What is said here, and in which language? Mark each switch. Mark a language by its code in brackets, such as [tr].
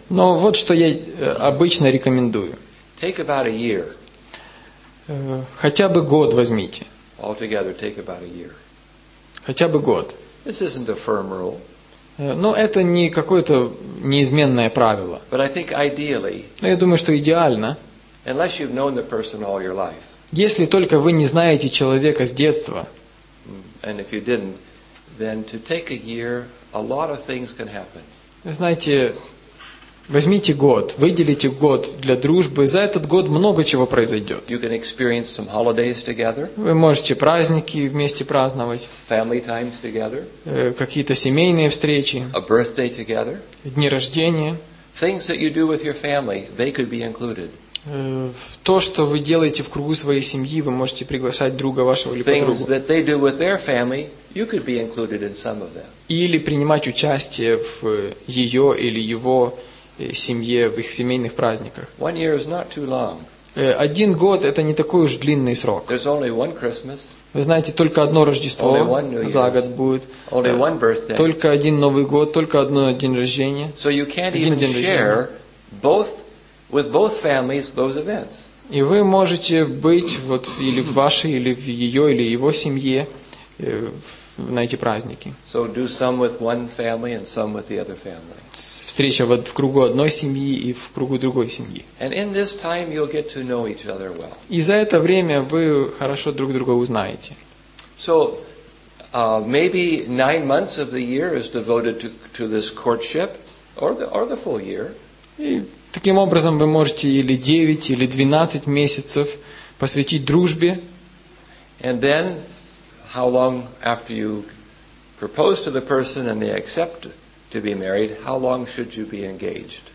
[ru] Но вот что я обычно рекомендую. [en] Take about a year. [ru] Хотя бы год возьмите. [en] Altogether, take about a year. [ru] Хотя бы год. [en] This isn't a firm rule. [ru] Но это не какое-то неизменное правило. [en] But I think ideally, [ru] но я думаю, что идеально. [en] Unless you've known the person all your life, [ru] если только вы не знаете человека с детства. [en] And if you didn't, then to take a year, a lot of things can happen. [ru] Знаете, возьмите год, выделите год для дружбы. За этот год много чего произойдет. [en] You can experience some holidays together. [ru] Вы можете праздники вместе праздновать. [en] Family times together. [ru] Какие-то семейные встречи. [en] A birthday together. [ru] Дни рождения. [en] Things that you do with your family, they could be included. [ru] То, что вы делаете в кругу своей семьи, вы можете приглашать друга вашего или подругу. [en] Things that they do with their family, you could be included in some of them. [ru] Или принимать участие в ее или его семье, в их семейных праздниках. [en] One year is not too long. [ru] Один год – это не такой уж длинный срок. [en] There's only one Christmas. [ru] Вы знаете, только одно Рождество за год будет. [en] Only one birthday. [ru] Только один Новый год, только одно день рождения. [en] So you can't even share both with both families those events. [ru] И вы можете быть вот или в вашей, или в ее, или его семье на эти праздники. [en] So do some with one family and some with the other family. [ru] Встреча вот в кругу одной семьи и в кругу другой семьи. [en] And in this time you'll get to know each other well. [ru] И за это время вы хорошо друг друга узнаете. [en] So maybe 9 months of the year is devoted to this courtship, or the full year. [ru] И таким образом вы можете или 9, или 12 месяцев посвятить дружбе. [en] And then how long after you propose to the person and they accept to be married, how long should you be engaged?